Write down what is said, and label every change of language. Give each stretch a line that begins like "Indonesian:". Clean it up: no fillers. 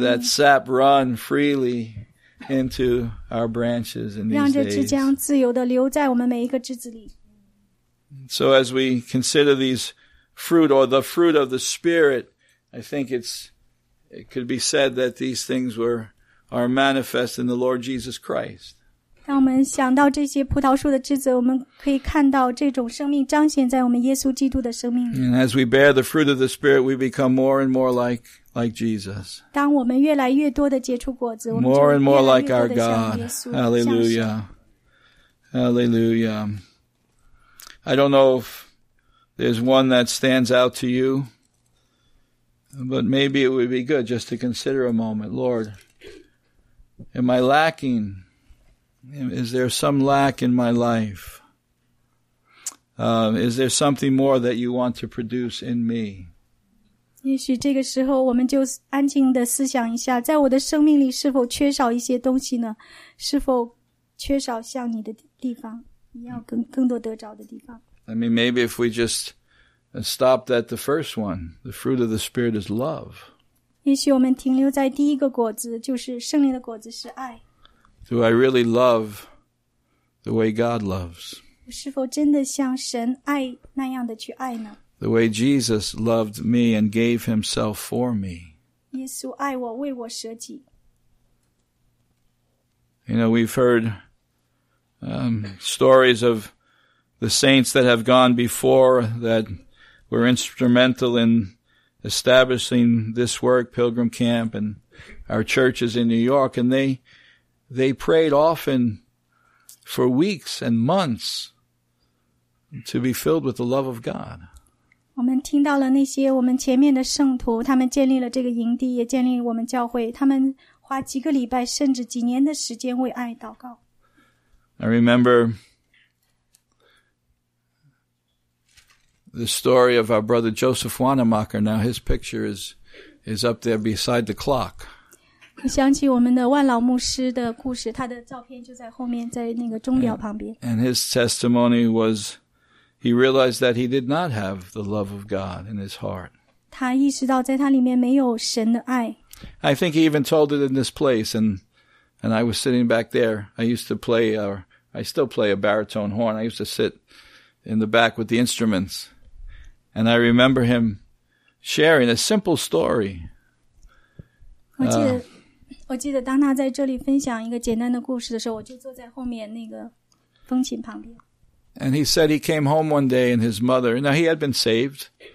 English: May that sap run freely into our branches in these days.
Chinese: 让这枝浆自由地流在我们每一个枝子里。
English: So as we consider these fruit or the fruit of the Spirit, I think it could be said that these things are manifest in the Lord Jesus Christ.
Chinese: 当我们想到这些葡萄树的枝子，我们可以看到这种生命彰显在我们耶稣基督的生命里。
English: And as we bear the fruit of the Spirit, we become more and more like Jesus.
Chinese: 当我们越来越多的结出果子，我们
English: more and more like our God. Hallelujah. Hallelujah. I don't know if there's one that stands out to you, but maybe it would be good just to consider a moment. Lord, am I lacking? Is there some lack in my life? Is there something more that you want to produce in me?
Chinese: 也许这个时候我们就安静地思想一下，在我的生命里是否缺少一些东西呢？是否缺少像你的地方，你要更多得着的地方？
English: I mean, maybe if we just stopped at the first one, the fruit of the Spirit is love.
Chinese: 也许我们停留在第一个果子，就是圣灵的果子是爱。
English: Do I really love the way God loves?
Chinese: 我是否真的像神爱那样的去爱呢？
English: The way Jesus loved me and gave himself for me.
Chinese: 耶稣爱我，为我舍己。
English: You know, we've heard stories of the saints that have gone before that were instrumental in establishing this work, Pilgrim Camp, and our churches in New York, and they prayed often for weeks and months to be filled with the love of God.
Chinese: 我们听到了那些我们前面的圣徒，他们建立了这个营地，也建立我们教会，他们花几个礼拜甚至几年的时间为爱祷告。
English: I remember the story of our brother Joseph Wanamaker. Now his picture is up there beside the clock.
Chinese: 我想起我们的万老牧师的故事，他的照片就在后面，在那个钟表旁边。
English: And his testimony was he realized that he did not have the love of God in his heart.
Chinese: 他意识到在他里面没有神的爱。
English: I think he even told it in this place, and I was sitting back there. I used to play, or I still play a baritone horn. I used to sit in the back with the instruments. And I remember him sharing a simple story.
Chinese: 我记得当他在这里分享一个简单的故事的时候，我就坐在后面那个风琴旁边。
English: And he said he came home one day and his mother, now he had been saved.